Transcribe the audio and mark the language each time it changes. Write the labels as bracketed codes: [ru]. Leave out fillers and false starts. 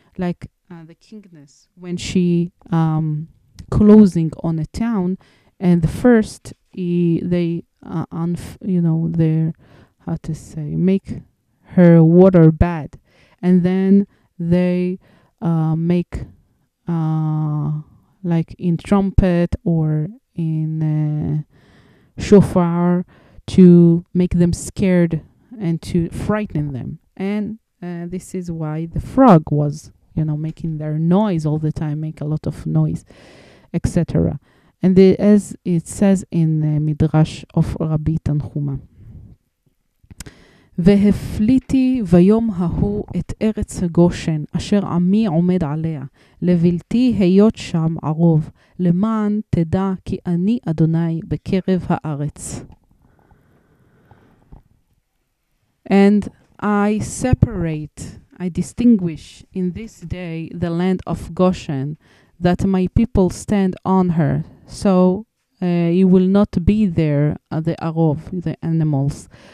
[en] Like the kingness when she closing on a town, and the first they make her water bad, and then they make like in trumpet or in shofar to make them scared and to frighten them. And this is why the frog was making their noise all the time, make a lot of noise, etc. And the, as it says in the Midrash of Rabbi Tanhuma, [he] והפליתי ויום ההוא את ארץ הגושן אשר עמי עומד עליה, לבלתי היות שם ערוב, למען תדע כי אני אדוני בקרב הארץ. [en] And I separate, I distinguish in this day the land of Goshen, that my people stand on her, so you will not be there, the Arov, the animals.